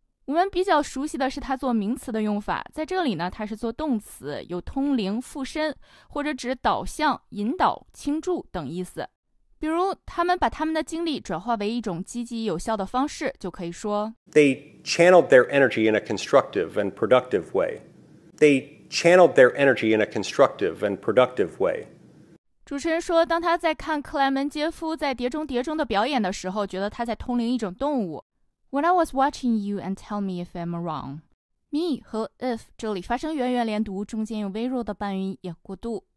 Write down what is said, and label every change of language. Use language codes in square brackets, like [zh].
[zh] 我们比较熟悉的是它做名词的用法。在这里呢它是做动词有通灵附身或者指导向引导倾注等意思。比如他们把他们的精力转化为一种积极有效的方式就可以说。 [en] They channeled their energy in a constructive and productive way. They channeled their energy in a constructive and productive way. [zh] 主持人说当他在看克莱门杰夫在碟中谍中的表演的时候觉得他在通灵一种动物。 [en] When I was watching you and tell me if I'm wrong. [zh] Me 和 if 这里发生圆圆连读中间有微弱的半音也过渡。